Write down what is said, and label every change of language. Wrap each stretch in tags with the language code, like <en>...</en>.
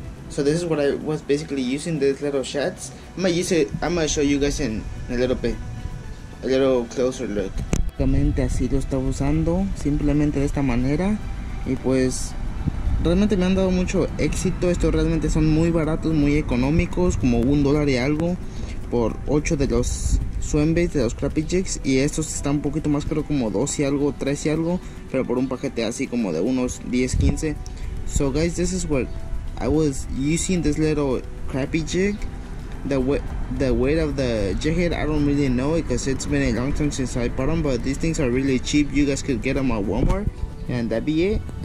<en>So this is what I was basically using, these little shads. I'm gonna show you guys in a little closer look.</en> <es>Básicamente así lo estaba usando, simplemente de esta manera. Y pues, realmente me han dado mucho éxito. Estos realmente son muy baratos, muy económicos, como $1 y algo por 8 de los swim baits, de los crappy jigs. Y estos están un poquito más caros, como 2 y algo, 3 y algo, pero por un paquete así como de unos 10-15.</es> <en>So guys, this is what I was using, this little crappy jig. The weight of the jig head, I don't really know, because it's been a long time since I bought them, but these things are really cheap. You guys could get them at Walmart, and that'd be it.</en>